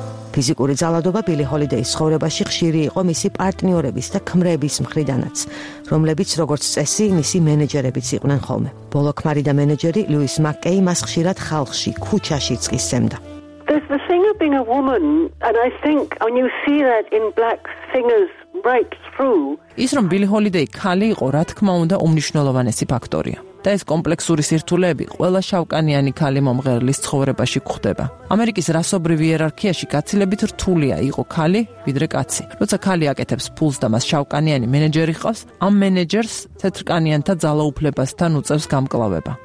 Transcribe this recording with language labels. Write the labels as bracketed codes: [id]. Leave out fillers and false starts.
[ka] ფიზიკური ძალადობა Billie Holiday-ის ცხოვრებაში ხშირი იყო მისი პარტნიორების და ქმრების მხრიდანაც, რომლებიც როგორც წესი მისი მენეჯერებიც იყვნენ ხოლმე. ბოლო ქმარი და მენეჯერი ლუის მაკეი მას ხშირად ხალხში, ქუჩაში წისემდა. [en] There's the thing of being a woman, and I think when you see that in black singers right through, [ka] ის რომ Billie Holiday ქალი იყო, რა თქმა უნდა, უმნიშვნელოვანესი ფაქტორია. და ეს კომპლექსური სირთულეები ყველა შავკანიანი ქალი მომღერლის ცხოვრებაში გვხვდება. ამერიკის რასობრივი იერარქიაში გაცილებით რთულია იყო ქალი, ვიდრე კაცი. როცა ქალი აკეთებს ფულს და მას შავკანიანი მენეჯერი ჰყავს, ამ მენეჯერს თეთრკანიანთა ძალაუფლებასთან უწევს გამკლავება.